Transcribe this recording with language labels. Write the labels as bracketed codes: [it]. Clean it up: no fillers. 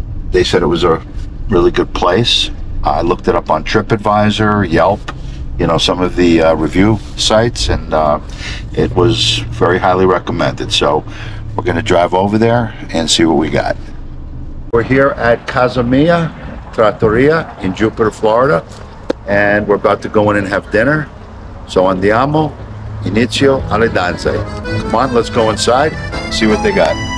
[en] They said it was a really good place. I looked it up on TripAdvisor, Yelp, you know, some of the review sites, and it was very highly recommended. So we're gonna drive over there and see what we got. We're here at Casa Mia Trattoria in Jupiter, Florida, and we're about to go in and have dinner. [it] So andiamo, inizio alle danze. [en] Come on, let's go inside, see what they got.